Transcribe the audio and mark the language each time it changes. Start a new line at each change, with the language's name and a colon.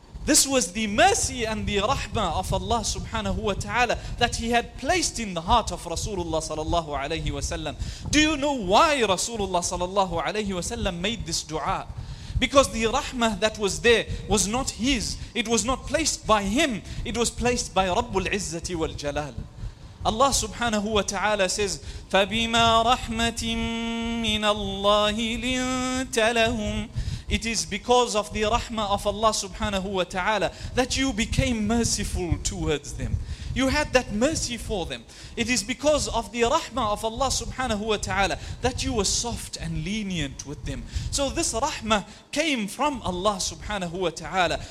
English: This was the mercy and the rahmah of Allah subhanahu wa ta'ala that he had placed in the heart of Rasulullah sallallahu alayhi wa sallam. Do you know why Rasulullah sallallahu alayhi wa sallam made this dua? Because the rahmah that was there was not his. It was not placed by him. It was placed by Rabbul Izzati wal Jalal. Allah subhanahu wa ta'ala says,
Arabic: فَبِمَا رَحْمَةٍ مِّنَ اللَّهِ لِنْتَ لَهُمْ.
English: It is because of the rahmah of Allah subhanahu wa ta'ala that you became merciful towards them. You had that mercy for them. It is because of the rahmah of Allah subhanahu wa ta'ala that you were soft and lenient with them. So this rahmah came from Allah subhanahu wa ta'ala.